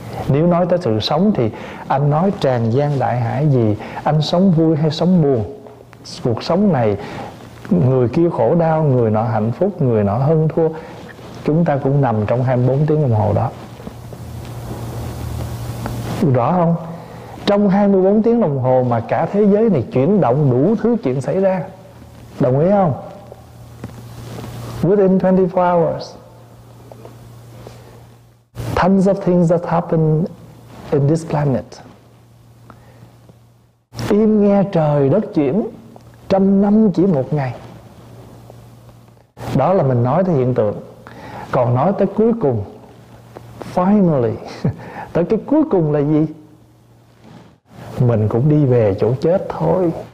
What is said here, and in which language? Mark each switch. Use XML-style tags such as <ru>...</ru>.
<vi>Nếu nói tới sự sống thì anh nói tràn gian đại hải gì, anh sống vui hay sống buồn, cuộc sống này người kia khổ đau, người nọ hạnh phúc, người nọ hơn thua, chúng ta cũng nằm trong 24 tiếng đồng hồ đó. Rõ không? Trong 24 tiếng đồng hồ mà cả thế giới này chuyển động đủ thứ chuyện xảy ra. Đồng ý không?</vi> <en>Within 24 hours, tons of things that happen in this planet.</en> <vi>Im nghe trời đất chuyển, trăm năm chỉ một ngày. Đó là mình nói tới hiện tượng. Còn nói tới cuối cùng, finally, tới cái cuối cùng là gì? Mình cũng đi về chỗ chết thôi.</vi>